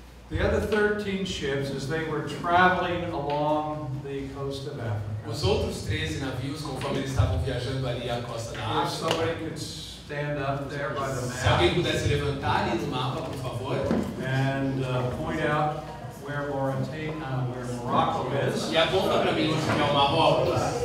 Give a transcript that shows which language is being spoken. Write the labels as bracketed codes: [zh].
[en] The other 13 ships, as they were traveling along the coast of Africa. [pt] Os outros 13 navios, conforme eles estavam viajando ali à costa da África. [en] If somebody could stand up there by the map. [pt] Se alguém pudesse levantar ali no mapa, por favor. [en] And point out where Mauritania, where Morocco is. [pt] E aponta para mim onde é o Marrocos.